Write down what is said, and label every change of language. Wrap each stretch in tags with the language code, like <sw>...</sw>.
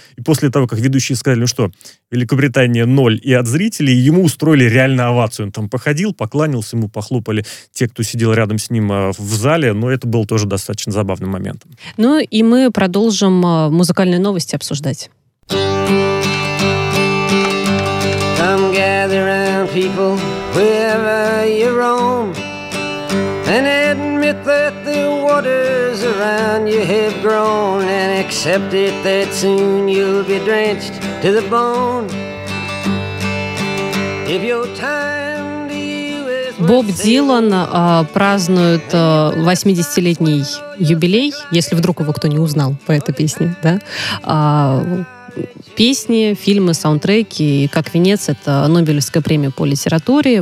<ru>И после того, как ведущие сказали, ну что, Великобритания ноль и от зрителей, ему устроили реально овацию. Он там походил, покланялся, ему похлопали те, кто сидел рядом с ним в зале. Но это был тоже достаточно забавным моментом. Ну и мы продолжим музыкальные новости обсуждать.</ru> <en>Come gather around people wherever you roam. And admit that the waters around you have grown. And accept it that soon you'll be drenched to the bone. If your time to you is...</en> <ru>Боб Дилан празднует 80-летний юбилей, если вдруг его кто не узнал по этой песне, да? Песни, фильмы, саундтреки, и как венец, это Нобелевская премия по литературе.</ru>